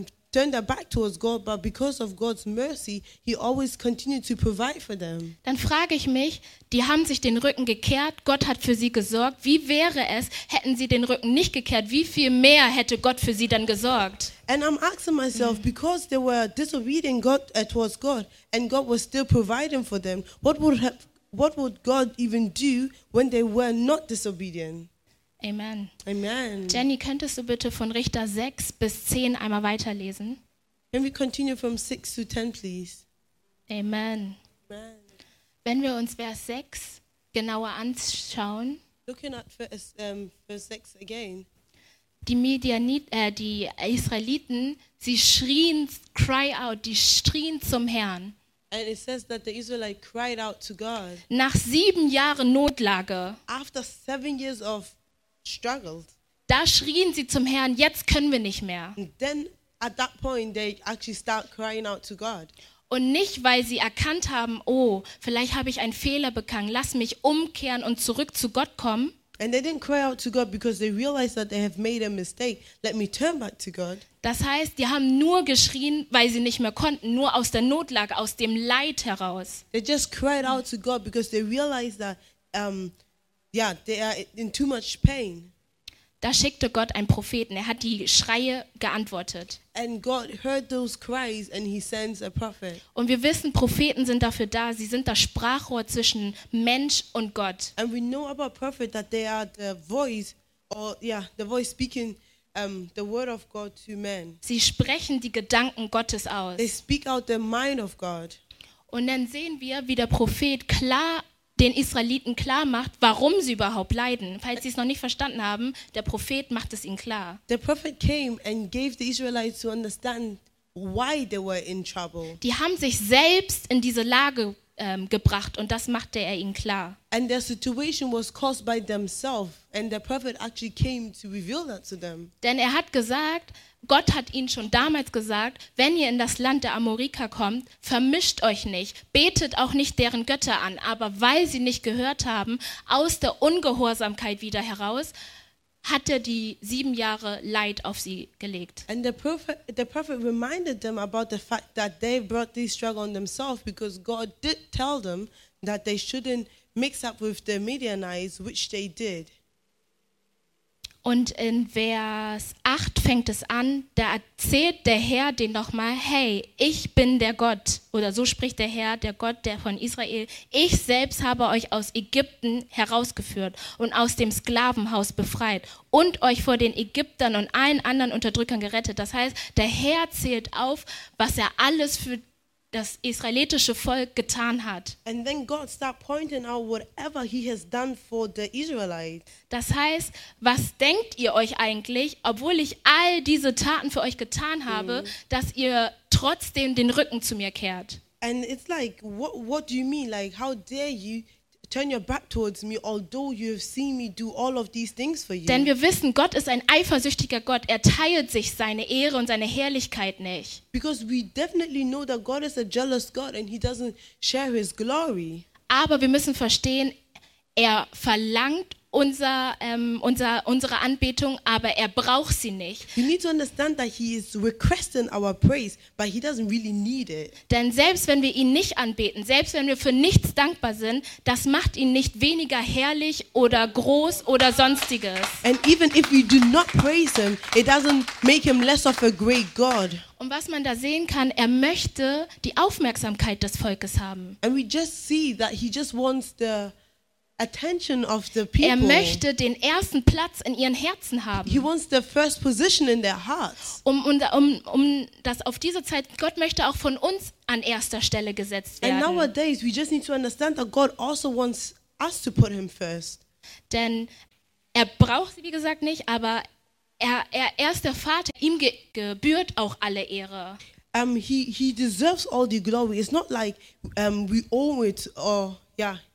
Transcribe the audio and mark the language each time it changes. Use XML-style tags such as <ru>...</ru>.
<en>turned their back towards God, but because of God's mercy, he always continued to provide for them.</en> <de>Dann frage ich mich, die haben sich den Rücken gekehrt, Gott hat für sie gesorgt. Wie wäre es, hätten sie den Rücken nicht gekehrt? Wie viel mehr hätte Gott für sie dann gesorgt?</de> <en>And I'm asking myself, because they were disobedient God, towards God, and God was still providing for them, what would God even do when they were not disobedient? Amen. Amen.</en> <de>Jenny, könntest du bitte von Richter 6 bis 10 einmal weiterlesen?</de> <en>Can we continue from 6 to 10, please? Amen. Amen.</en> <de>Wenn wir uns Vers 6 genauer anschauen,</de> <en>looking at verse 6 again,</en> <de>die Israeliten, sie schrien,</de> <en>cry out,</en> <de>die schrien zum Herrn.</de> <en>And it says that the Israelites cried out to God.</en> <de>Nach 7 Jahren Notlage.</de> <en>After 7 years of struggled.</en> <de>Da schrien sie zum Herrn, jetzt können wir nicht mehr.</de> <en>And then at that point they actually start crying out to God.</en> <de>Und nicht, weil sie erkannt haben, oh, vielleicht habe ich einen Fehler begangen, lass mich umkehren und zurück zu Gott kommen.</de> <en>And they didn't cry out to God because they realized that they have made a mistake. Let me turn back to God.</en> <de>Das heißt, die haben nur geschrien, weil sie nicht mehr konnten, nur aus der Notlage, aus dem Leid heraus.</de> <en>They just cried out to God because they realized that yeah, they are in too much pain.</en> <de>Da schickte Gott einen Propheten. Er hat die Schreie geantwortet.</de> <en>And God heard those cries and he sends a prophet.</en> <de>Und wir wissen, Propheten sind dafür da. Sie sind das Sprachrohr zwischen Mensch und Gott.</de> <en>And we know about prophet that they are the voice, or yeah, the voice speaking the word of God to men.</en> <de>Sie sprechen die Gedanken Gottes aus.</de> <en>They speak out the mind of God.</en> <de>Und dann sehen wir, wie der Prophet klar den Israeliten klar macht, warum sie überhaupt leiden. Falls sie es noch nicht verstanden haben, der Prophet macht es ihnen klar.</de> <en>The prophet came and gave the Israelites to understand why they were in trouble.</en> <de>Die haben sich selbst in diese Lage gebracht und das machte er ihnen klar.</de> <en>And their situation was caused by themselves and the prophet actually came to reveal that to them.</en> <de>Denn er hat gesagt, Gott hat ihnen schon damals gesagt, wenn ihr in das Land der Amoriker kommt, vermischt euch nicht, betet auch nicht deren Götter an. Aber weil sie nicht gehört haben, aus der Ungehorsamkeit wieder heraus, hat er die 7 Jahre Leid auf sie gelegt.</de> <en>And the prophet reminded them about the fact that they brought this struggle on themselves, because God did tell them that they shouldn't mix up with the Midianites, which they did.</en> <de>Und in Vers 8 fängt es an, da erzählt der Herr denen nochmal, hey, ich bin der Gott, oder so spricht der Herr, der Gott, der von Israel, ich selbst habe euch aus Ägypten herausgeführt und aus dem Sklavenhaus befreit und euch vor den Ägyptern und allen anderen Unterdrückern gerettet. Das heißt, der Herr zählt auf, was er alles für das israelitische Volk getan hat.</de> <en>And then God start pointing out whatever he has done for the Israelites.</en> <de>Das heißt, was denkt ihr euch eigentlich, obwohl ich all diese Taten für euch getan habe, dass ihr trotzdem den Rücken zu mir kehrt?</de> <en>And it's like, what do you mean? Like, how dare you turn your back towards me, although you have seen me do all of these things for you?</en> <de>Denn wir wissen, Gott ist ein eifersüchtiger Gott. Er teilt sich seine Ehre und seine Herrlichkeit nicht.</de> <en>Because we definitely know that God is a jealous God and he doesn't share his glory.</en> <de>Aber wir müssen verstehen, er verlangt unsere Anbetung, aber er braucht sie nicht.</de> <en>You need to understand that he is requesting our praise, but he doesn't really need it.</en> <de>Denn selbst wenn wir ihn nicht anbeten, selbst wenn wir für nichts dankbar sind, das macht ihn nicht weniger herrlich oder groß oder sonstiges.</de> <en>And even if we do not praise him, it doesn't make him less of a great God.</en> <de>Und was man da sehen kann, er möchte die Aufmerksamkeit des Volkes haben.</de> <en>And we just see that he just wants the attention of the people.</en> <de>Er möchte den ersten Platz in ihren Herzen haben.</de> <en>He wants the first position in their hearts.</en> <de>Um das auf diese Zeit, Gott möchte auch von uns an erster Stelle gesetzt werden.</de> <en>And nowadays we just need to understand that God also wants us to put him first.</en> <de>Denn er braucht sie, wie gesagt, nicht, aber er ist der Vater, ihm gebührt auch alle Ehre.</de> <en>He deserves all the glory. It's not like we owe it or yeah.</en>